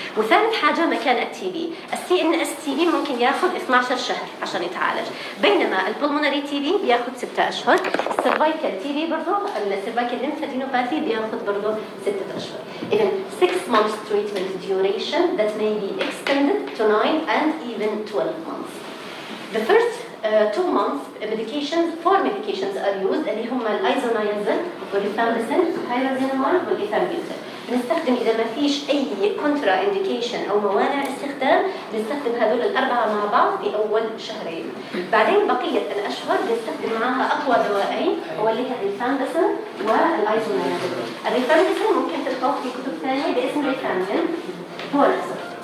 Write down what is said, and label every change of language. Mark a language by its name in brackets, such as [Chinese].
[Arabic] وثالث حاجه مكان التي بي، السي ان اس تي بي ممكن ياخذ 12 شهر عشان يتعالج، بينما البلمونري تي بي بياخذ 6 اشهر، السيرفايكال تي بي برضه السيرفايكال لينفادينوباثي بياخذ برضه 6 اشهر. [English] اذا 6 month treatment duration that may be extended to 9 and even 12 month. The first 2 months medications, 4 medications are used, and they are isoniazid, rifampicin, pyrazinamide, and ethambutol. [Arabic] نستخدم إذا ما فيش أي كونترا إنديكيشن أو موانع استخدام نستخدم هذول الأربعة مع بعض في أول شهرين. بعدين بقية الأشهر نستخدم معها أقوى دوائين واللي هي الريفامبسين والأيزونيازيد. الريفامبسين ممكن تلقوه في كتب ثانية باسم ريفامبسين هو نفسه.